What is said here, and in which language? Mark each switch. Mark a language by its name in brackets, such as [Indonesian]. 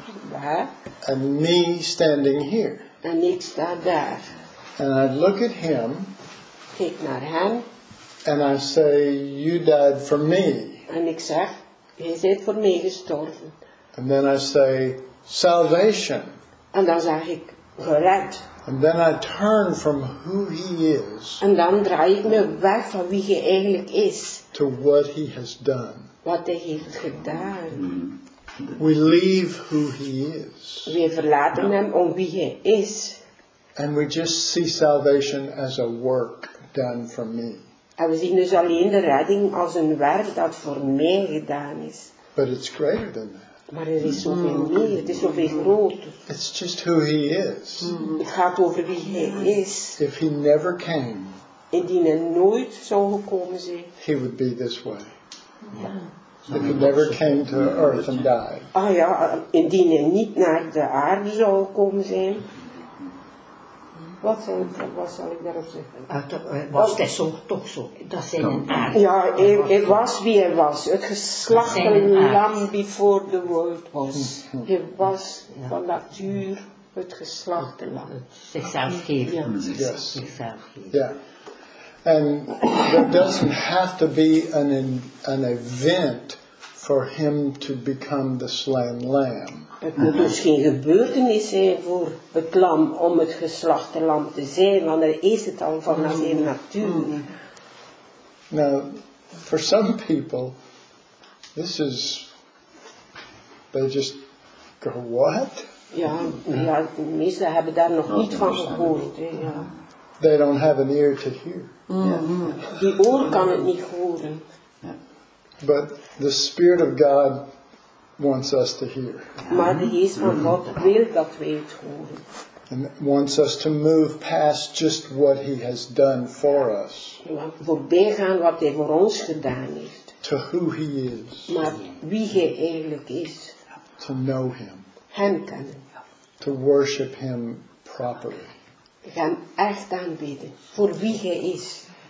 [English] Daar. And me standing here. [Dutch] En ik sta daar. [English] And I look at him. [Dutch] Kijk naar hem. [English] And I say, you died for me. [Dutch] En ik zeg, hij is voor mij gestorven. [English] And then I say, salvation. [Dutch] En dan zeg ik, gered. [English] And then I turn from who he is. [Dutch] En dan draai ik me weg van wie hij eigenlijk is. [English] To what he has done. [Dutch] Wat hij heeft gedaan. [English] We leave who he is. [Dutch] We verlaten hem om wie hij is. [English] And we just see salvation as a work done for me. [Dutch] En we zien dus alleen de redding als een werk dat voor mij gedaan is. [English] But it's greater than that. [Dutch] Maar er is zoveel meer, het is zoveel groter. [English] It's just who he is. [Dutch] Het gaat over wie hij is. [English] If he never came. [Dutch] Indien hij nooit zou gekomen zijn. [English] He would be this way. [Dutch] Ja, [English] that he never came to earth and died. [Dutch] Ah ja, indien hij niet naar de aarde zou komen zijn. Wat zal ik daarop zeggen? Was hij toch zo? Ja, hij was wie hij was. Het geslachten lam [English] before the world was. [Dutch] Hij was van natuur het geslachten lam. [English] And there doesn't have to be an event for him to become the slain lamb. [Dutch] Het moet dus geen gebeurtenis zijn voor het lam om het geslachte lam te zijn, want dan is het al van zijn natuur. [English] Now, for some people, this is, they just go, what? [Dutch] Ja, ja, de meesten hebben daar nog niet van gehoord. Hè, ja. [English] They don't have an ear to hear. Yeah. [Dutch] Die oor kan het niet horen. [English] But the Spirit of God wants us to hear. [Dutch] Maar de Geest van God wil dat wij het horen. [English] And wants us to move past just what he has done for us. [Dutch] Voorbij gaan wat hij voor ons gedaan heeft. [English] To who he is. [Dutch] Maar wie hij eigenlijk is. [English] To know him. [Dutch] Hem kennen. [English] To worship him properly. [Dutch] Gaan echt aanbidden voor wie hij is.